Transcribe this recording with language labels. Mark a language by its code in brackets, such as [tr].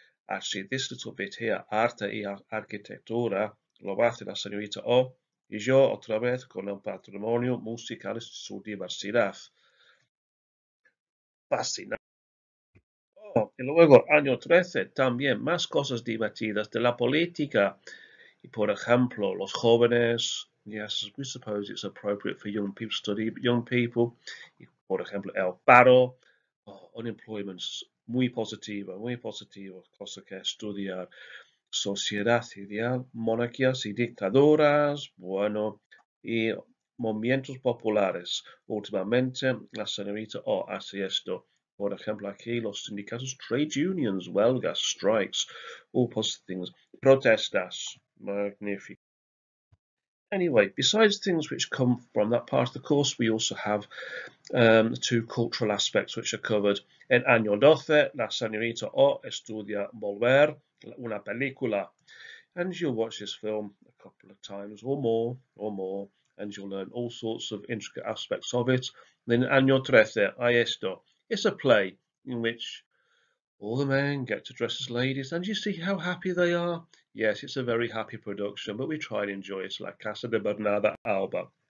[en] Actually, this little bit here, [es] arte y arquitectura, lo va a hacer la señorita O. Y yo, otra vez, con el patrimonio musical y su diversidad. Fascinante. Oh, y luego, año 13, también más cosas divertidas de la política. Y, por ejemplo, los jóvenes. [en] Yes, we suppose it's appropriate for young people to study young people. For example, [es] el paro, [en] unemployment's [es] muy positivo, cosa que estudiar. Sociedad ideal, monarquías y dictaduras, bueno, y movimientos populares. Últimamente, la señorita O hace esto. Por ejemplo, aquí los sindicatos, [en] trade unions, [es] huelgas, [en] strikes, all positive things. [es] Protestas, magnífico. [en] Anyway, besides things which come from that part of the course, we also have two cultural aspects which are covered. [es] En año 12, la señorita O estudia volver una película. [en] And you'll watch this film a couple of times or more, and you'll learn all sorts of intricate aspects of it. Then [es] año 13, hay esto. [en] It's a play in which all the men get to dress as ladies, and you see how happy they are. Yes, it's a very happy production, but we try and enjoy it like Casa de Bernarda Alba.